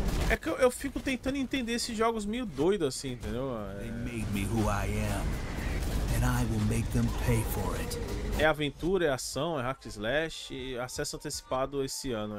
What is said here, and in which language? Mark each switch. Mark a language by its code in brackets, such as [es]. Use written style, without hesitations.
[pt] É que eu fico tentando entender esses jogos meio doidos assim, entendeu? [en] They made me who I am, and I will make them pay for it. [pt] É aventura, é ação, é hack slash, acesso antecipado esse ano.